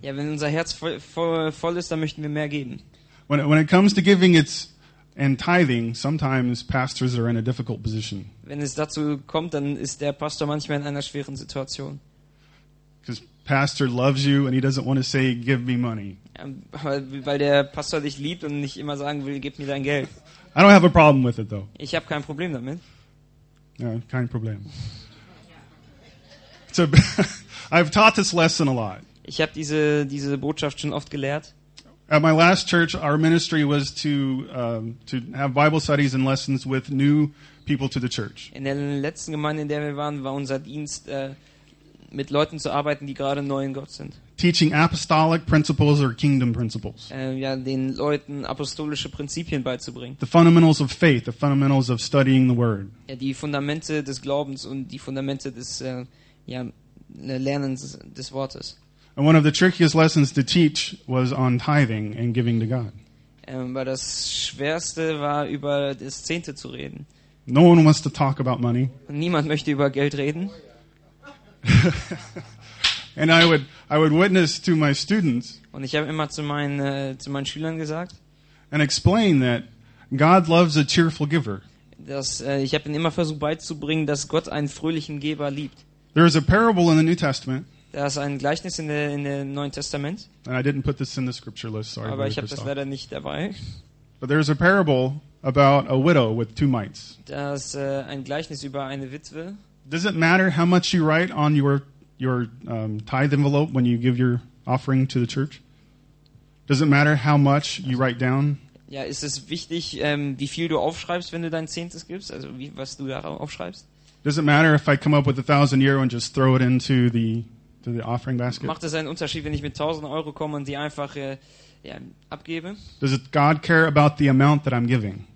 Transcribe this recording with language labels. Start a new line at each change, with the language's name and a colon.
German: Ja, wenn unser Herz voll ist, dann möchten wir mehr geben.
English: When it comes to giving and tithing, sometimes pastors are in a difficult position.
German: Wenn es dazu kommt, dann ist der Pastor manchmal in einer schweren Situation.
English: Because pastor loves you and he doesn't want to say, give me money.
German: Weil der Pastor dich liebt und nicht immer sagen will, gib mir dein Geld.
English: I don't have a problem with it though.
German: Ich habe kein Problem damit. Ja, kein Problem.
English: So, I've taught this lesson a lot.
German: Ich habe diese Botschaft schon oft gelehrt.
English: At my last church, our ministry was to have Bible studies and lessons with new people to the church.
German: In der letzten Gemeinde, in der wir waren, war unser Dienst mit Leuten zu arbeiten, die gerade neu in Gott sind.
English: Teaching apostolic principles or kingdom principles.
German: Ja, den Leuten apostolische Prinzipien beizubringen.
English: The fundamentals of faith, the fundamentals of studying the word.
German: Ja, die Fundamente des Glaubens und die Fundamente des Lernens des Wortes.
English: And one of the trickiest lessons to teach was on tithing and giving to God.
German: Aber das Schwerste war, über das Zehnte zu reden.
English: No one wants to talk about money.
German: Niemand möchte über Geld reden.
English: And I would witness to my students.
German: Und ich habe immer zu meinen Schülern gesagt.
English: And explain that God loves a cheerful giver.
German: Ich habe ihnen immer versucht beizubringen, dass Gott einen fröhlichen Geber liebt.
English: There is a parable in the New Testament.
German: Da ist ein Gleichnis in dem Neuen Testament.
English: And I didn't put this in the scripture list, sorry.
German: Aber ich habe das leider nicht dabei.
English: But there is a parable about a widow with two mites.
German: Da ist ein Gleichnis über eine Witwe.
English: Does it matter how much you write on your tithe envelope when you give your offering to the church? Does it matter how much you write down?
German: Ja, ist es wichtig, wie viel du aufschreibst, wenn du dein Zehntes gibst, also wie, was du da aufschreibst?
English: Does it matter if I come up with 1,000 euro and just throw it into the offering basket?
German: Macht es einen Unterschied, wenn ich mit 1,000 euro komme und die einfach abgebe?
English: Does it God care about the amount that I'm giving?